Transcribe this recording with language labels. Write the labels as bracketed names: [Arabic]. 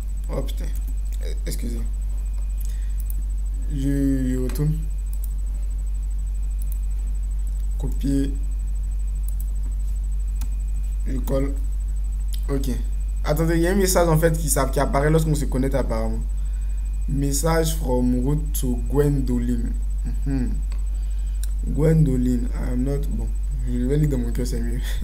[French] Oh putain. Excusez. Je retourne. Copier. Je colle. Ok. Attendez, il y a un message en fait qui apparaît lorsqu'on se connecte apparemment. [English] Message from route to Gwendoline. Gwendoline, I am not. [French] Bon, je vais lire dans mon cœur, c'est mieux.